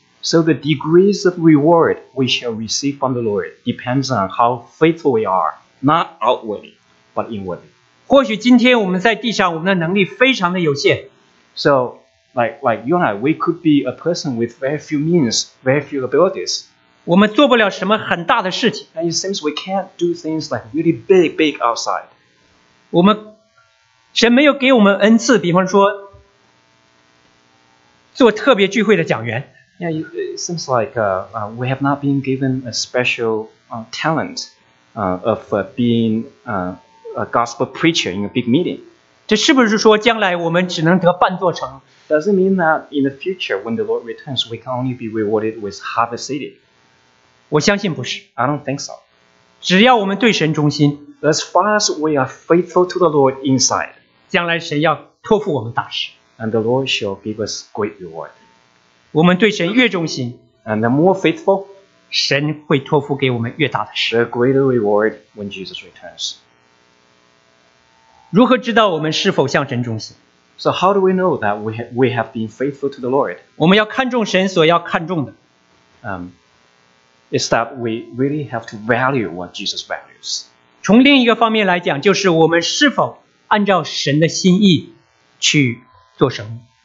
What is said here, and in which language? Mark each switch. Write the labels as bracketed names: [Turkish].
[English] So the degrees of reward we shall receive from the Lord depends on how faithful we are, not outwardly, but inwardly. [Chinese] 或许今天我们在地上我们的能力非常的有限。 [English] So, Like you and I, we could be a person with very few means, very few abilities. [Chinese] 我们做不了什么很大的事情。 [English] And it seems we can't do things like really big outside. [Chinese] 神没有给我们恩赐, 比方说做特别聚会的讲员。 [English] Yeah, it seems like we have not been given a special talent of being a gospel preacher in a big meeting. [Chinese] 这是不是说将来我们只能得半座城？ [English] Does it mean that in the future, when the Lord returns, we can only be rewarded with half a city? [Chinese] 我相信不是。 [English] I don't think so. [Chinese] 只要我们对神忠心, [English] as far as we are faithful to the Lord inside, [Chinese] 将来神要托付我们大事, [English] and the Lord shall give us great reward. [Chinese] 我们对神越忠心, [English] and the more faithful, [Chinese] 神会托付给我们越大的事, [English] the greater reward when Jesus returns. [Chinese] 如何知道我们是否向神忠心? [English] So how do we know that we have been faithful to the Lord? [Chinese] 我们要看重神所要看重的。 [English] It's that we really have to value what Jesus values. [Chinese] 从另一个方面来讲, 就是我们是否按照神的心意去做生意。